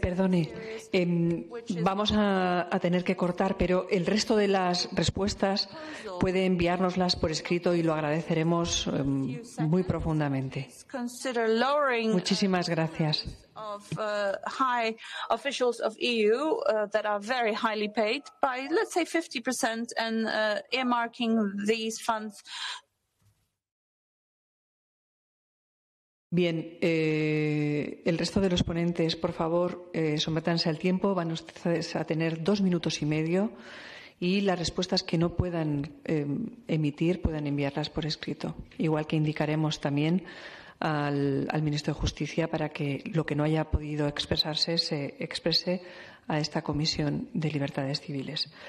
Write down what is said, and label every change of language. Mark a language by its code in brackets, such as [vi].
[es] Perdone, vamos a tener que cortar, pero el resto de las respuestas puede enviárnoslas por escrito y lo agradeceremos muy profundamente. Muchísimas gracias. [en] Of high officials of EU that are very highly paid by, let's say, 50%, and earmarking these funds. [es] Bien, el resto de los ponentes, por favor, sométanse al tiempo. Van ustedes a tener 2 minutos y medio y las respuestas que no puedan emitir puedan enviarlas por escrito. Igual que indicaremos también al ministro de Justicia para que lo que no haya podido expresarse se exprese a esta Comisión de Libertades Civiles.